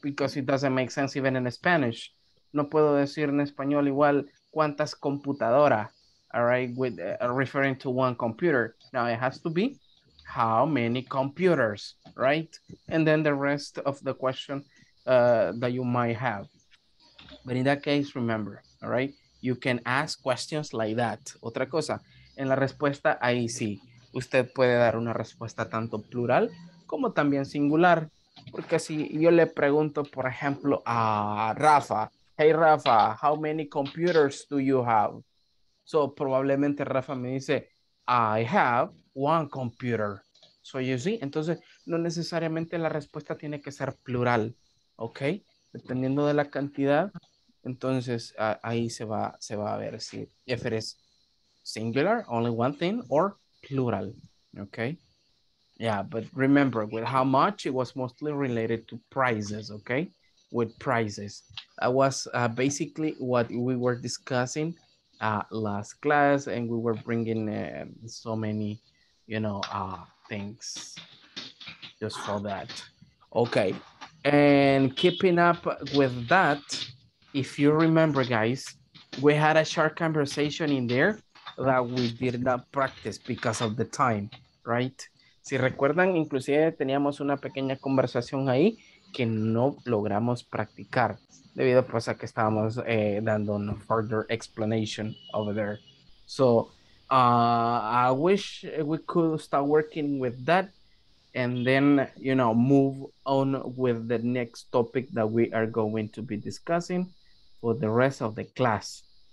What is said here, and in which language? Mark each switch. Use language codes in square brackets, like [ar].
[en] Because it doesn't make sense even in Spanish. [es] No puedo decir en español igual cuántas computadoras. [en] All right, with referring to one computer. Now it has to be how many computers, right? And then the rest of the question that you might have. But in that case, remember, all right? You can ask questions like that. [es] Otra cosa, en la respuesta, ahí sí. Usted puede dar una respuesta tanto plural como también singular. Porque si yo le pregunto, por ejemplo, a Rafa. [en] Hey, Rafa, how many computers do you have? So, [es] probablemente Rafa me dice, [en] I have one computer. So, you see? [es] Entonces, no necesariamente la respuesta tiene que ser plural. ¿Ok? Dependiendo de la cantidad, entonces ahí se va a ver si [en] if it is singular, only one thing, or plural. [es] ¿Ok? [en] Yeah, but remember, with how much, it was mostly related to prices. ¿Ok? With prices. That was basically what we were discussing last class, and we were bringing so many, you know, things just for that. Okay, and keeping up with that, if you remember, guys, we had a short conversation in there that we did not practice because of the time, right? [es] Si recuerdan, inclusive teníamos una pequeña conversación ahí que no logramos practicar. Debido pues a que estábamos dando una [en] further explanation over there. So, I wish we could start working with that and then, you know, move on with the next topic that we are going to be discussing for the rest of the class.